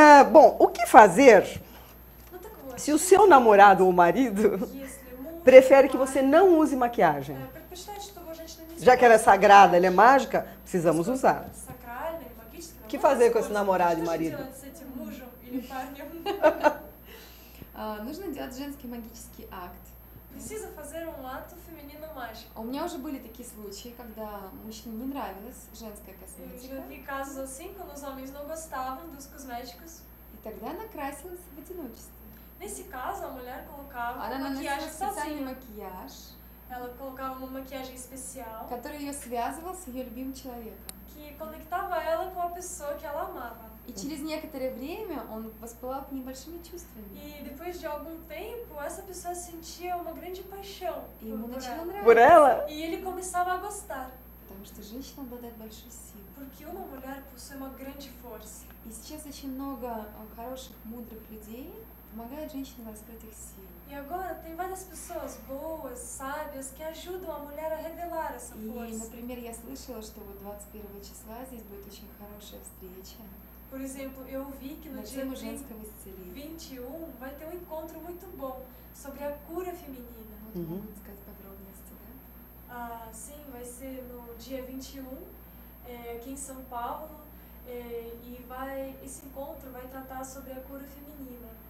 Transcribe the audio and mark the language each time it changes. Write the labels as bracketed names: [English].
[Portuguese] Bom, o que fazer se o seu namorado ou marido prefere que você não use maquiagem? Já que ela é sagrada, ela é mágica, precisamos usar. O que fazer com esse namorado e marido? [Russian] Нужно делать женский магический акт. [Portuguese] Precisa fazer um ato feminino mágico. [Russian] У меня уже были такие случаи, когда мужчине не нравилась женская косметика. [Portuguese] Eu já vi casos assim, quando os homens não gostavam dos cosméticos. [Russian] И тогда она красилась в одиночестве. [Portuguese] Nesse caso, a mulher colocava [Russian] она макияж специальный макияж. [Portuguese] Ela colocava uma maquiagem especial. [Russian] Который ее связывал с ее любимым человеком. [Portuguese] Que conectava ela com a pessoa que ela amava. [Russian] E через некоторое время он воспылал к ней большими чувствами. [Portuguese] E depois de algum tempo, essa pessoa sentia uma grande paixão e por, ela. Por ela. E ele começava a gostar. [Russian] Потому что женщина обладает большой силой. [Portuguese] Porque uma mulher possui uma grande força. [Russian] И сейчас очень много хороших, мудрых людей помогают женщинам раскрыть их силу. [Portuguese] E agora tem várias pessoas boas, sábias, que ajudam a mulher a revelar essa força. [Russian] E, например, я слышала, что вот 21 числа здесь будет очень хорошая встреча. [Portuguese] Por exemplo, eu ouvi que no dia 21 vai ter um encontro muito bom sobre a cura feminina. Vamos falar mais [Russian] подробности, да? [Portuguese] Sim, vai ser no dia 21, aqui em São Paulo, esse encontro vai tratar sobre a cura feminina.